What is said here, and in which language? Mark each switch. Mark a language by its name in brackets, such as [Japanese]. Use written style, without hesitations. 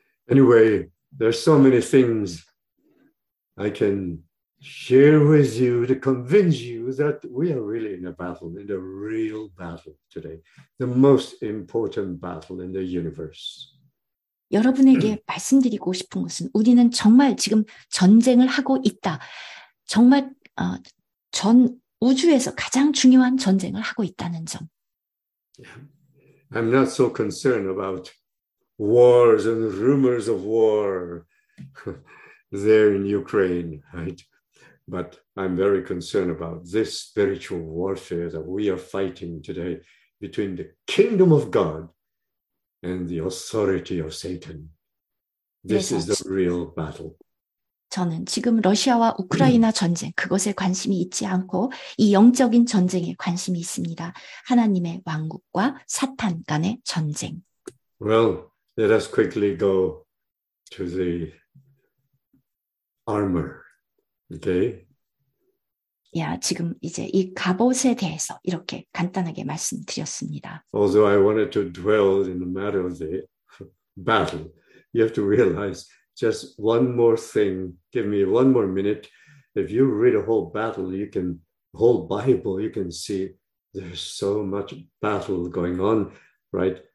[English] Anyway, there's so many things I can share with you to convince you that we are really in a battle, in a real battle today, the most important battle in the universe. [Korean] 여러분에게 말씀드리고 싶은 것은 우리는 정말 지금 전쟁을 하고 있다. 정말 전 우주에서 가장 중요한 전쟁을 하고 있다는 점. [English] I'm not so concerned about wars and rumors of war there in Ukraine, right? But I'm very concerned about this spiritual warfare that we are fighting today between the kingdom of God and the authority of Satan. This is the real battle. [Korean] 저는 지금 러시아와 우크라이나 전쟁, 그것에 관심이 있지 않고 이 영적인 전쟁에 관심이 있습니다. 하나님의 왕국과 사탄 간의 전쟁. [English] Well, let us quickly go to the armor, okay? [Korean] 야, 지금 이제 이 갑옷에 대해서 이렇게 간단하게 말씀드렸습니다. [English] Although I wanted to dwell in the matter of the battle, you have to realize just one more thing. Give me one more minute. If you read a whole battle, you can, whole Bible, you can see there's so much battle going on, right?